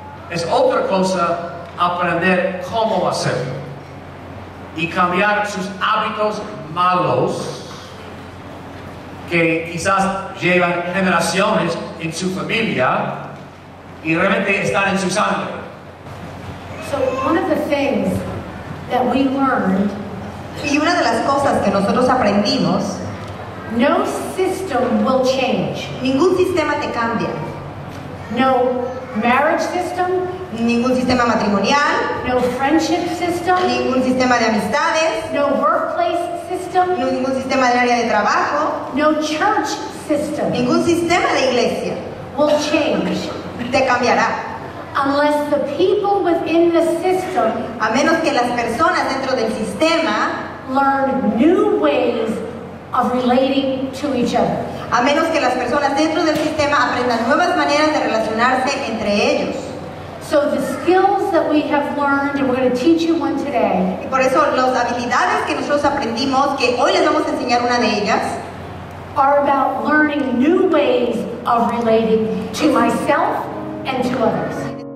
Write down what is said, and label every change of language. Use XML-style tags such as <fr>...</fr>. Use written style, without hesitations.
<es>es otra cosa aprender cómo hacerlo y cambiar sus hábitos malos que quizás llevan generaciones en su familia y realmente están en su sangre.</es> <en>So one of the things that we learned,</en> <es>y una de las cosas que nosotros aprendimos,</es> <en>no system will change.</en> <es>Ningún sistema te cambia.</es> <en>No marriage system.</en> <es>Ningún sistema matrimonial.</es> <en>No friendship system.</en> <es>Ningún sistema de amistades.</es> <en>No workplace system.</en> <es>Ningún sistema del área de trabajo.</es> <en>No church system.</en> <es>Ningún sistema de iglesia</es> <en>will change.</en> <es>Te cambiará.</es> <en>Unless the people within the system,</en> <es>a menos que las personas dentro del sistema,</es> <en>learn new ways of relating to each other.</en> <es>A menos que las personas dentro del sistema aprendan nuevas maneras de relacionarse entre ellos.</es> <en>So the skills that we have learned, and we're going to teach you one today.</en> <es>Y por eso las habilidades que nosotros aprendimos, que hoy les vamos a enseñar una de ellas,</es> <en>are about learning new ways of relating to myself and to others.</en>